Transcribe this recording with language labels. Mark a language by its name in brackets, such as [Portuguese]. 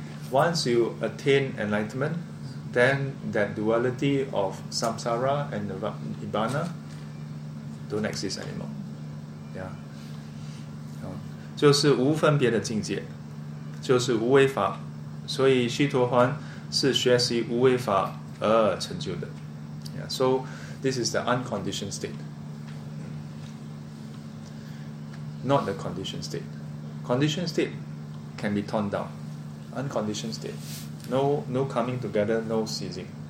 [English] Once you attain enlightenment, then that duality of samsara and nibbana don't exist anymore. Yeah. [Chinese] 就是无分别的境界，就是无为法. 所以虚陀洹是学习无为法而成就的. [English] Yeah. So this is the unconditioned state, not the conditioned state. Conditioned state can be torn down. Unconditioned state no coming together, no ceasing.